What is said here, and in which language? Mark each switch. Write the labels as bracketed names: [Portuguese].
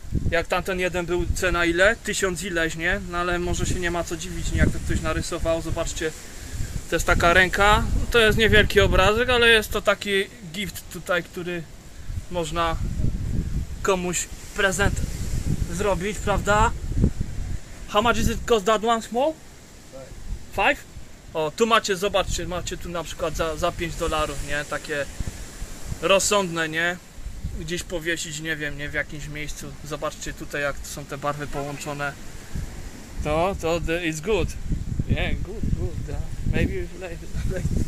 [Polish] Jak tamten jeden był, cena ile? 1000 ileś, nie? No ale może się nie ma co dziwić, nie? Jak to ktoś narysował. Zobaczcie, to jest taka ręka. To jest niewielki obrazek, ale jest to taki gift tutaj, który można komuś prezent zrobić, prawda? [English] How much is it cost that one small? Five? [Polish] O, tu macie, zobaczcie, macie tu na przykład za $5, nie? Takie rozsądne, nie? Gdzieś powiesić, nie wiem, nie? W jakimś miejscu. Zobaczcie tutaj, jak są te barwy połączone. [English] To it's good. Yeah, good, yeah. Maybe later.